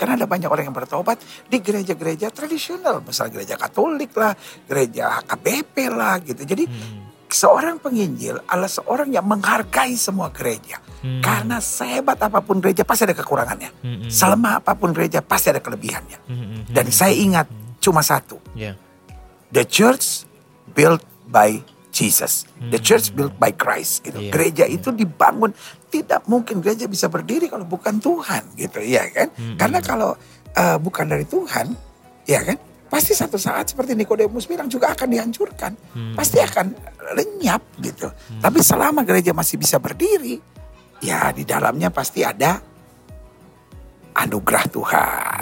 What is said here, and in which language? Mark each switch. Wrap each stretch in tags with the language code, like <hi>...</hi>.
<id>Karena ada banyak orang yang bertobat di gereja-gereja tradisional. Misalnya gereja Katolik lah, gereja HKBP lah gitu. Jadi seorang penginjil adalah seorang yang menghargai semua gereja. Karena sehebat apapun gereja pasti ada kekurangannya. Selemah apapun gereja pasti ada kelebihannya. Dan saya ingat cuma satu.</id> <en>The church built by Jesus. The church built by Christ.</en> <id>Gitu.</id> <en>Yeah,</en> <id>gereja itu dibangun. Tidak mungkin gereja bisa berdiri kalau bukan Tuhan. Gitu ya kan. Karena kalau bukan dari Tuhan. Ya kan. Pasti satu saat seperti Nikodemus bilang juga akan dihancurkan. Pasti akan lenyap gitu. Tapi selama gereja masih bisa berdiri, ya di dalamnya pasti ada anugerah Tuhan.</id>